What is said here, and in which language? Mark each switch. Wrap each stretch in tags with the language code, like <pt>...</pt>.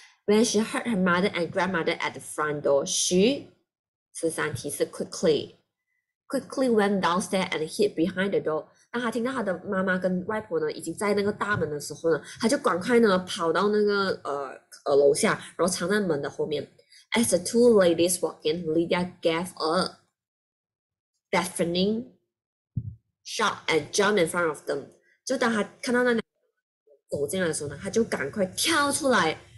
<en>When she heard her mother and grandmother at the front door, she,</en> <zh>十三提示</zh> <en>quickly went downstairs and hid behind the door.</en> <zh>当她听到她的妈妈跟外婆呢已经在那个大门的时候呢，她就赶快呢跑到那个楼下，然后藏在门的后面。</zh> <en>As the two ladies walked in, Lydia gave a deafening shout and jumped in front of them.</en> <zh>就当她看到那两个走进来的时候呢，她就赶快跳出来。</zh>